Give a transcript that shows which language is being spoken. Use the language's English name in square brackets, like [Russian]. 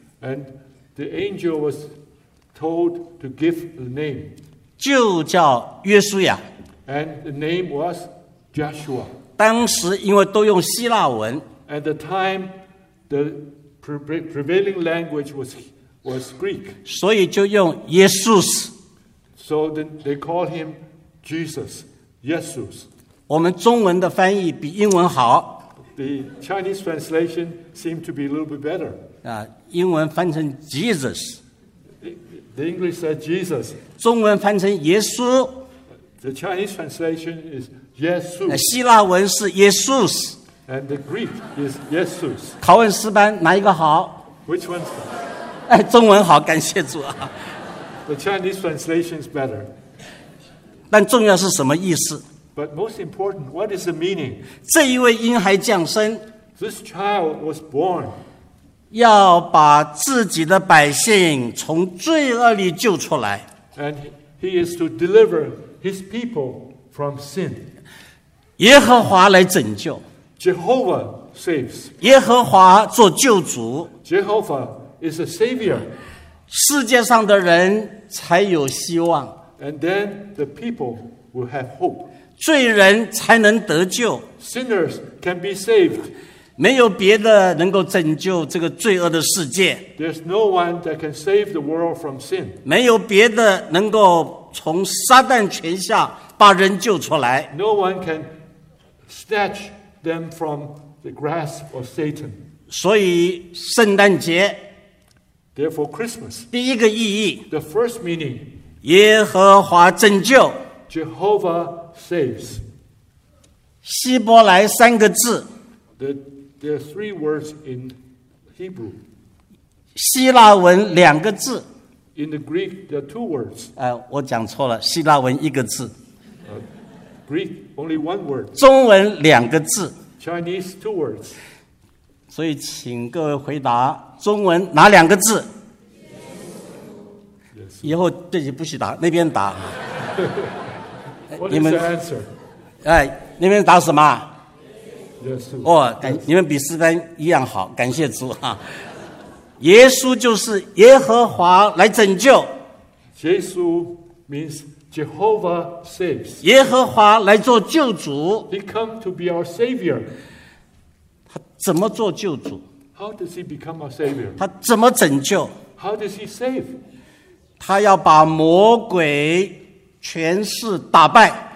[English] And the angel was told to give a name. [Chinese] 就叫约书亚。 [English] And the name was Joshua. [Chinese] 当时因为都用希腊文。 [English] At the time, the prevailing language was Greek. [Chinese] 所以就用耶稣。 [English] So they called him Jesus, Jesus. [Chinese] 我们中文的翻译比英文好。 [English] The Chinese translation seemed to be a little bit better. [Chinese] 英文翻成 Jesus. [English] The English said Jesus. [Chinese] 中文翻成耶稣。 [English] The Chinese translation is 耶稣。 [Chinese] 希腊文是 Jesus. [English] And the Greek is Jesus. [Chinese] 考问四班哪一个好？ [English] Which one's better? [Chinese] 中文好，感谢主啊。 [English] The Chinese translation is better. [Chinese] 但重要是什么意思？ [English] But most important, what is the meaning? [Chinese] 这一位婴孩降生。 [English] This child was born. [Chinese] 要把自己的百姓从罪恶里救出来。 [English] And he is to deliver his people from sin. [Chinese] 耶和华来拯救。 [English] Jehovah saves. [Chinese] 耶和华做救主。 [English] Jehovah is a savior. [Chinese] 世界上的人才有希望。 [English] And then the people will have hope. [Chinese] 罪人才能得救。 [English] Sinners can be saved. [Chinese] 没有别的能够拯救这个罪恶的世界。 [English] There's no one that can save the world from sin. [Chinese] 没有别的能够从撒旦权下把人救出来。 [English] No one can snatch them from the grasp of Satan. [Chinese] 所以圣诞节。 [English] Therefore, Christmas. [Chinese] 第一个意义。 [English] The first meaning. [Chinese] 耶和华拯救。 [English] Jehovah saves. [Chinese] 希伯来三个字。 [English] There are three words in Hebrew. [Chinese] 希腊文两个字。 [English] In the Greek, there are two words. [Chinese] 我讲错了，希腊文一个字。 [English] Greek, only one word. [Chinese] 中文两个字。 [English] Chinese, two words. [Chinese] 所以请各位回答中文哪两个字。 [English] Yes. [Chinese] 以后自己不许答，那边答。 [English] What is the answer? [Chinese] 那边答什么？ [English] Yes. [Chinese] 你们比斯班一样好，感谢主啊。耶稣就是耶和华来拯救。 [English] Jesus means Jehovah saves. [Chinese] 耶和华来做救主。 [English] He come to be our savior. [Chinese] 他怎么做救主？ [English] How does he become our savior? [Chinese] 他怎么拯救？ [English] How does he save? [Chinese] 他要把魔鬼权势打败。